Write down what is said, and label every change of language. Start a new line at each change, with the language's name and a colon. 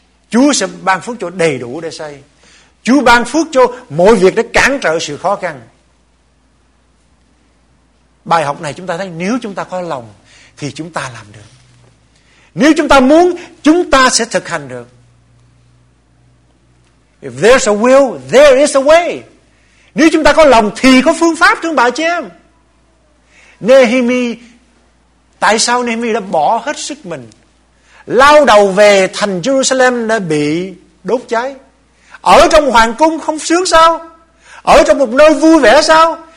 Vietnamese: Chúa sẽ ban phước cho đầy đủ để xây, Chúa ban phước cho mọi việc để cản trở sự khó khăn. Bài học này chúng ta thấy, nếu chúng ta có lòng thì chúng ta làm được. Nếu chúng ta muốn, chúng ta sẽ thực hành được.
English: If there's a will, there is a way.
Vietnamese: Nếu chúng ta có lòng thì có phương pháp, thưa bà chị em. Nehemi, tại sao Nehemi đã bỏ hết sức mình, lao đầu về thành Jerusalem đã bị đốt cháy? Ở trong hoàng cung không sướng sao? Ở trong một nơi vui vẻ sao?